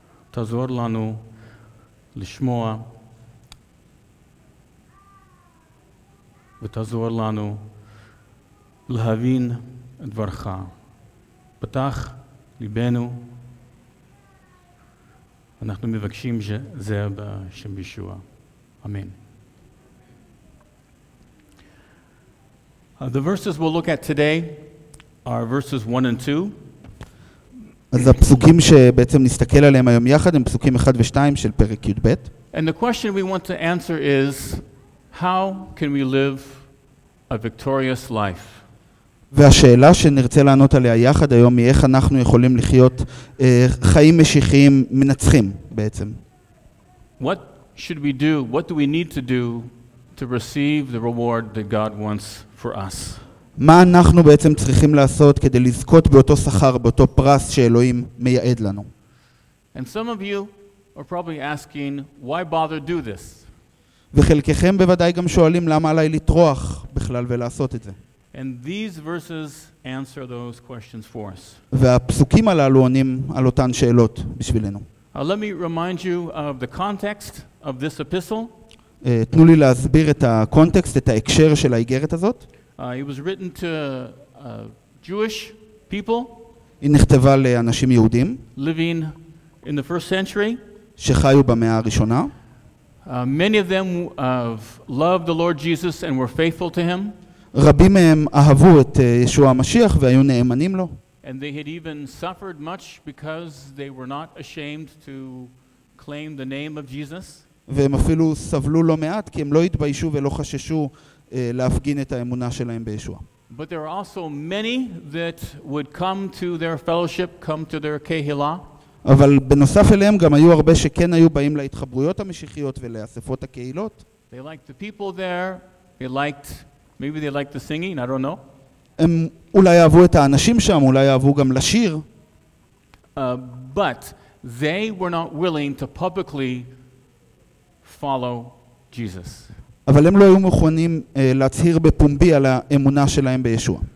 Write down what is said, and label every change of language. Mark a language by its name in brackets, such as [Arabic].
[Hebrew] תעזור לנו לשמוע, ותעזור לנו להבין דברך. פתח ליבנו, אנחנו מבקשים שזה בשם ישוע, אמן. [English] The verses we'll look at today are verses 1 and 2. [Hebrew] אז הפסוקים שבעצם נסתכל עליהם היום יחד הם פסוקים 1 ו-2 של פרק י' ב'. [English] And the question we want to answer is, how can we live a victorious life? [Hebrew] והשאלה שנרצה לענות עליה יחד היום היא איך אנחנו יכולים לחיות חיים משיחיים מנצחים בעצם. [English] What should we do? What do we need to do to receive the reward that God wants for us? [Hebrew] מה אנחנו בעצם צריכים לעשות כדי לזכות באותו שכר, באותו פרס שאלוהים מייעד לנו? [English] And some of you are probably asking, why bother do this? [Hebrew] וחלקכם בוודאי גם שואלים למה עליי לטרוח בכלל ולעשות את זה. [English] And these verses answer those questions for us. [Hebrew] והפסוקים הללו עונים על אותן שאלות בשבילנו. [English] Let me remind you of the context of this epistle. [Hebrew] תנו לי להסביר את הקונטקסט, את ההקשר של האיגרת הזאת. [English] It was written to Jewish people. [Hebrew] היא נכתבה לאנשים יהודים. [English] Living in the first century. [Hebrew] שחיו במאה הראשונה. [English] Many of them loved the Lord Jesus and were faithful to him. [Hebrew] רבים מהם אהבו את ישוע המשיח והיו נאמנים לו. [English] And they had even suffered much because they were not ashamed to claim the name of Jesus. [Hebrew] והם אפילו סבלו לא מעט כי הם לא התביישו ולא חששו להפגין את האמונה שלהם בישוע. [English] But there are also many that would come to their fellowship, come to their kehilah. [Hebrew] אבל בנוסף אליהם גם היו הרבה שכן היו באים להתחברויות המשיחיות ולאספות הקהילות. [English] They liked the people there. They liked, maybe they liked the singing, I don't know. [Hebrew] הם אולי אהבו את האנשים שם, אולי אהבו גם לשיר. [English] But they were not willing to publicly follow Jesus. [Hebrew] אבל הם לא היו מוכנים להצהיר בפומבי על האמונה שלהם בישוע.